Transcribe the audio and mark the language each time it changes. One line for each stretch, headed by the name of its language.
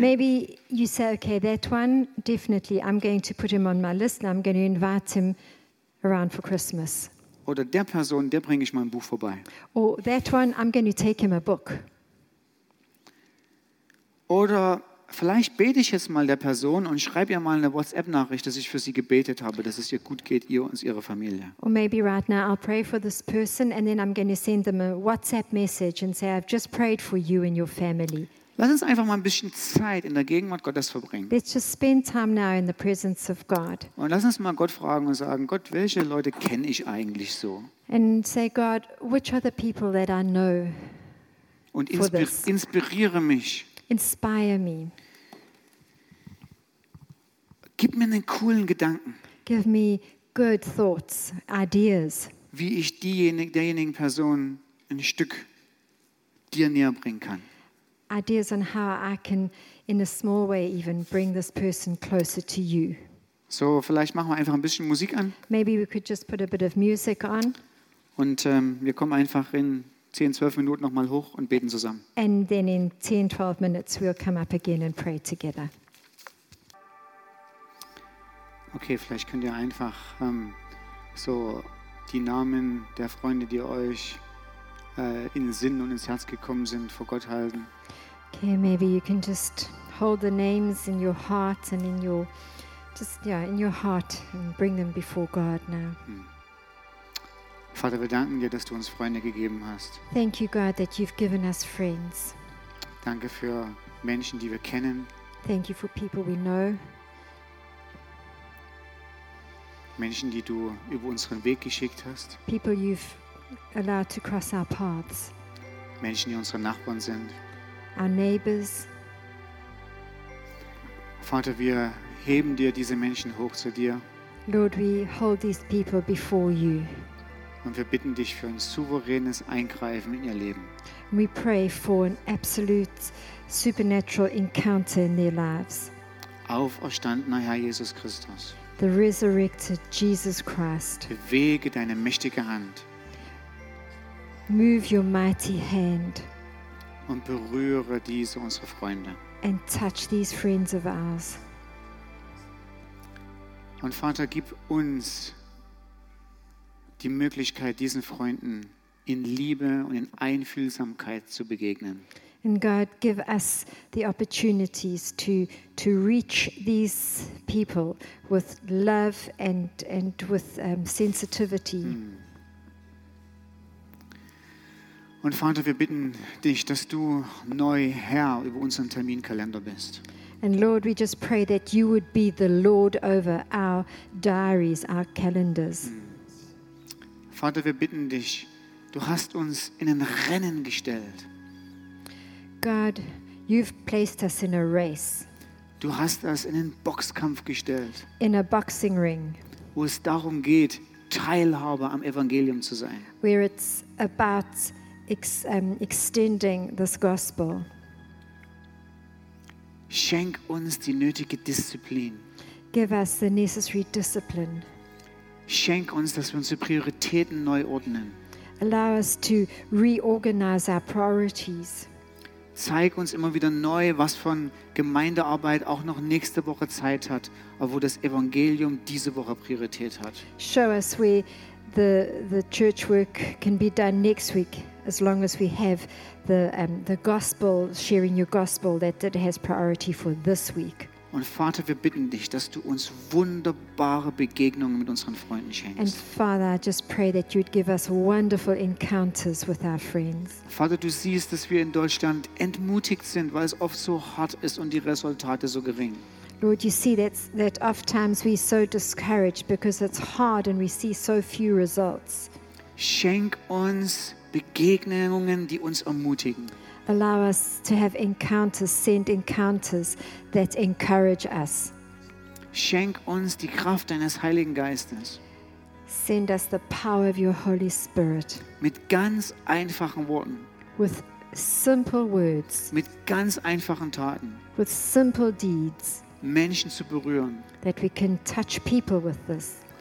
English: Maybe you say, okay, that one, definitely, I'm going to put him on my list and I'm going to invite him around for Christmas.
German: Oder der Person, der bringe ich mein Buch vorbei.
English: Or that one, I'm going to take him a book.
German: Oder vielleicht bete ich jetzt mal der Person und schreibe ihr mal eine WhatsApp-Nachricht, dass ich für sie gebetet habe, dass es ihr gut geht, ihr und ihre Familie.
English: Or maybe right now I'll pray for this person and then I'm going to send them a WhatsApp message and say I've just prayed for you and your family.
German: Lass uns einfach mal ein bisschen Zeit in der Gegenwart Gottes verbringen.
English: Let's just spend time now in the presence of God.
German: Und lass uns mal Gott fragen und sagen, Gott, welche Leute kenne ich eigentlich so?
English: And say, God, which are the people that I know?
German: Und inspiriere mich.
English: Inspire me.
German: Gib mir einen coolen Gedanken.
English: Give me good thoughts, ideas.
German: Wie ich derjenigen Person ein Stück dir näher bringen kann.
English: Ideas on how I can, in a small way even, bring this person closer to you.
German: So, vielleicht machen wir einfach ein bisschen Musik an.
English: Maybe we could just put a bit of music on.
German: Und wir kommen einfach in 10, 12 Minuten nochmal hoch und beten zusammen.
English: And then in 10, 12 minutes we'll come up again and pray together.
German: Okay, vielleicht könnt ihr einfach so die Namen der Freunde, die euch in Sinn und ins Herz gekommen sind, vor Gott halten.
English: Okay, maybe you can just hold the names in your heart and in your heart and bring them before God now.
German: Vater, wir danken dir, dass du uns Freunde gegeben hast.
English: Thank you, God, that you've given us friends.
German: Danke für Menschen, die wir kennen.
English: Thank you for people we know.
German: Menschen, die du über unseren Weg geschickt hast.
English: People you've allowed to cross our paths.
German: Menschen, die unsere Nachbarn sind.
English: Our neighbors.
German: Vater, wir heben dir diese Menschen hoch zu dir.
English: Lord, we hold these people before you.
German: Und wir bitten dich für ein souveränes Eingreifen in ihr Leben.
English: We pray for an absolute supernatural encounter in their lives.
German: Auferstandener Herr Jesus Christus.
English: The resurrected Jesus Christ.
German: Bewege deine mächtige Hand.
English: Move your mighty hand.
German: Und berühre diese unsere Freunde.
English: And touch these friends of ours.
German: Und Vater, gib uns die Möglichkeit, diesen Freunden in Liebe und in Einfühlsamkeit zu begegnen.
English: And God, give us the opportunities to reach these people with love and with sensitivity.
German: Und Vater, wir bitten dich, dass du neu Herr über unseren Terminkalender bist.
English: And Lord, we just pray that you would be the Lord over our diaries, our calendars.
German: Vater, wir bitten dich, du hast uns in ein Rennen gestellt.
English: God, you've placed us in a race.
German: Du hast uns in einen Boxkampf gestellt.
English: In a boxing ring.
German: Wo es darum geht, Teilhaber am Evangelium zu sein.
English: Where it's about extending this gospel.
German: Schenk uns die nötige Disziplin.
English: Give us the necessary discipline.
German: Schenk uns, dass wir unsere Prioritäten neu ordnen.
English: Allow us to reorganize our priorities.
German: Zeig uns immer wieder neu, was von Gemeindearbeit auch noch nächste Woche Zeit hat, aber wo das Evangelium diese Woche Priorität hat.
English: Show us where the church work can be done next week as long as we have the gospel, sharing your gospel, that it has priority for this week.
German: Und Vater, wir bitten dich, dass du uns wunderbare Begegnungen mit unseren Freunden schenkst.
English: And Father, I just pray that you'd give us wonderful encounters with our friends.
German: Vater, du siehst, dass wir in Deutschland entmutigt sind, weil es oft so hart ist und die Resultate so gering.
English: Lord, you see that oftentimes we're so discouraged because it's hard and we see so few results.
German: Schenk uns Begegnungen, die uns ermutigen.
English: Allow us to have encounters, send encounters that encourage us.
German: Schenk uns die Kraft deines Heiligen Geistes.
English: Send us the power of your Holy Spirit.
German: Mit ganz einfachen Worten.
English: With simple words.
German: Mit ganz einfachen Taten.
English: With simple deeds.
German: Menschen zu berühren.
English: That we can touch people with this.